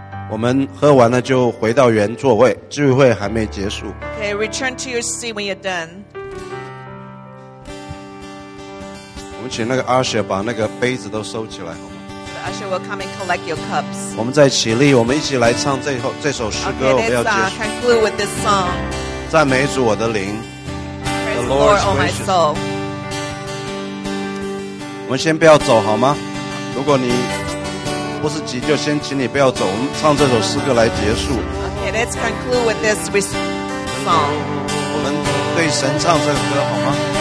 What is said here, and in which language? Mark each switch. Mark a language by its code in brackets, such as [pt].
[zh] 我们喝完了就回到原座位，聚会还没结束。 [en] Okay, return to your seat when you're done. [zh] 我们请那个 usher 把那个杯子都收起来，好吗？ [en] The usher will come and collect your cups. [zh] 我们再起立，我们一起来唱这首诗歌。 [en] Okay, [zh] 我们要结束。 [en] Conclude with this song. [zh] 赞美主，我的灵。 [en] Praise the Lord, oh my soul. [zh] 我们先不要走好吗？如果你不是急，就先请你不要走。我们唱这首诗歌来结束。 [en] Okay, let's conclude with this song. [zh] 我们对神唱这首歌好吗？